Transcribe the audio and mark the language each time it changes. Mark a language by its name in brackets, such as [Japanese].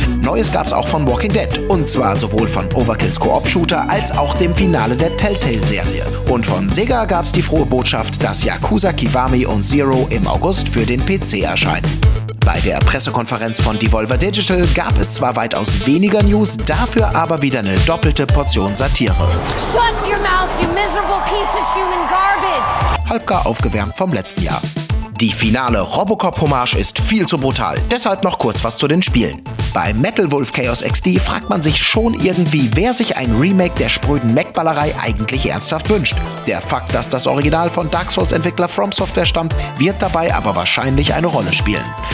[German] Neues gab's auch von Walking Dead, und zwar sowohl von Overkills Koop-Shooter als auch dem Finale der Telltale-Serie. Und von Sega gab's die frohe Botschaft, dass Yakuza Kiwami und Zero im August für den PC erscheinen. Bei der Pressekonferenz von Devolver Digital gab es zwar weitaus weniger News, dafür aber wieder eine doppelte Portion Satire. [English] Shut your mouth, you miserable piece of human garbage. [German] Halbgar aufgewärmt vom letzten Jahr. Die finale Robocop-Hommage ist viel zu brutal, deshalb noch kurz was zu den Spielen. Bei Metal Wolf Chaos XD fragt man sich schon irgendwie, wer sich ein Remake der spröden Mech-Ballerei eigentlich ernsthaft wünscht. Der Fakt, dass das Original von Dark Souls-Entwickler From Software stammt, wird dabei aber wahrscheinlich eine Rolle spielen.